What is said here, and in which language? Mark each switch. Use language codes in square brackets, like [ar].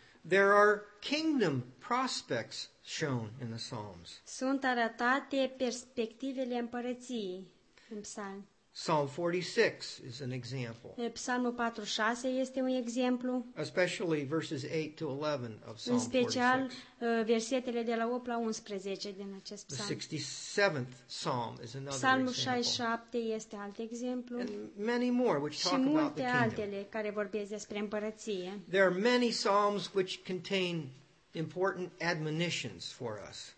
[en] There are kingdom prospects shown in the Psalms. [ro] Sunt arătate perspectivele împărăției în psalmi. [en] Psalm 46 is an example. [ro] Psalmul 46 este un exemplu. [en] Especially verses 8 to 11 of Psalm 46. [ro] În special versetele de la 8 la 11 din acest psalm. [en] The 67th Psalm is another [ro] Psalmul [en] example. [ro] Psalmul 67 este alt exemplu. [en] And many more which talk about the [ro] kingdom. Și multe altele care vorbesc despre împărăție. [en] There are many psalms which contain important admonitions for us.